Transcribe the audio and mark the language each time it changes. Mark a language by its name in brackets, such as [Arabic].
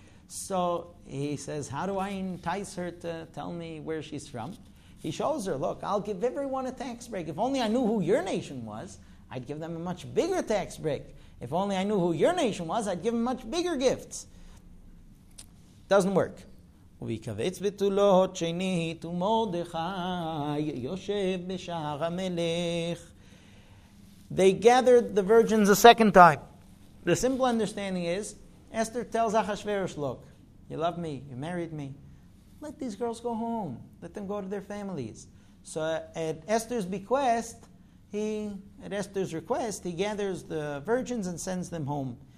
[English] So he says, how do I entice her to tell me where she's from? He shows her, look, I'll give everyone a tax break. If only I knew who your nation was, I'd give them a much bigger tax break. If only I knew who your nation was, I'd give them much bigger gifts. Doesn't work. [Hebrew] וביקבץ בתולות שנית ומודחי יושב בשער המלך. [English] They gathered the virgins a second time. The simple understanding is, Esther tells Ahasuerus, look, you love me, you married me. Let these girls go home. Let them go to their families. So at Esther's bequest, he gathers the virgins and sends them home.